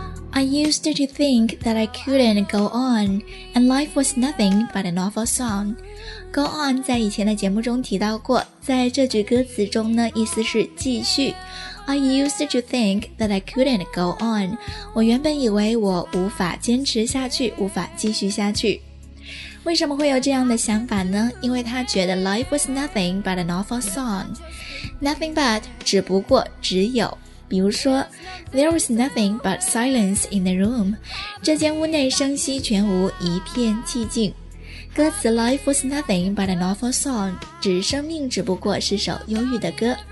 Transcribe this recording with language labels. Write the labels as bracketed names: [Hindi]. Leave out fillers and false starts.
[English] I used to think that I couldn't go on, and life was nothing but an awful song. [Chinese] Go on 在以前的节目中提到过，在这句歌词中呢，意思是继续。 [English] I used to think that I couldn't go on. [Chinese] 我原本以为我无法坚持下去，无法继续下去。为什么会有这样的想法呢？因为他觉得 [English] life was nothing but an awful song. [Chinese] Nothing but 只不过，只有。比如说 [English] There was nothing but silence in the room. [Chinese] 这间屋内声息全无，一片寂静。 [English] 歌词 Life was nothing but an awful song. [Chinese] 指生命只不过是首忧郁的歌。